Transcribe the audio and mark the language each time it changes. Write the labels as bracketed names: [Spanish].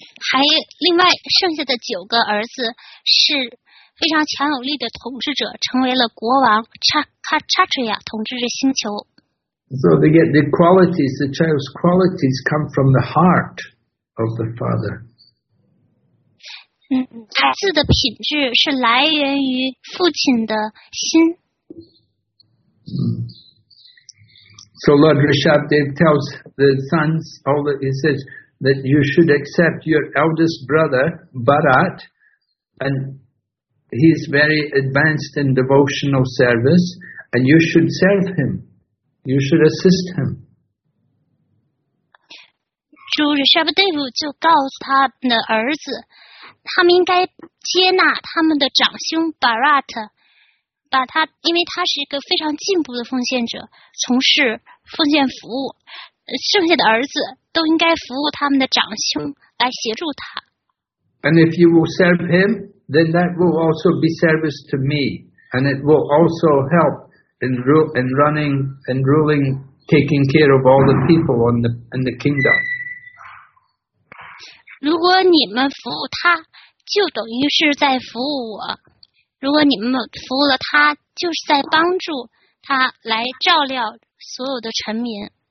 [Chinese] 还另外剩下的九个儿子是非常强有力的统治者，成为了国王 Kshatriya 统治着星球。 [English] So they get the qualities, the child's qualities come from the heart of the father. [Chinese] 孩子的品质是来源于父亲的心。 [English] So Lord Rishabdev tells the sons, all that he says, that you should accept your eldest brother, Bharat, and he's very advanced in devotional service, and you should serve him. You should assist him. [Chinese] 主 Rishabdev 就告诉他们的儿子，他们应该接纳他们的长兄 Bharat，把他，因为他是一个非常进步的奉献者，从事奉献服务，剩下的儿子都应该服务他们的长兄，来协助他。 [English] And if you will serve him, then that will also be service to me, and it will also help in running and ruling, taking care of all the people in the kingdom. [Chinese] 如果你们服务他，就等于是在服务我。如果你们服务了他，就是在帮助他来照料所有的臣民。